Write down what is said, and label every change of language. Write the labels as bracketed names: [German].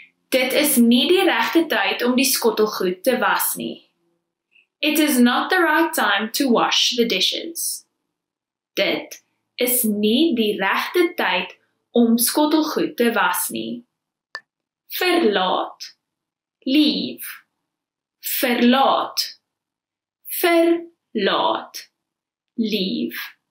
[Afrikaans] Dit is nie die regte tyd om die skottelgoed te was nie. [English] It is not the right time to wash the dishes. [Afrikaans] Dit is nie die regte tyd om skottelgoed te was nie. Verlaat. [English] Leave. [Afrikaans] Verlaat. Verlaat. [English] Leave.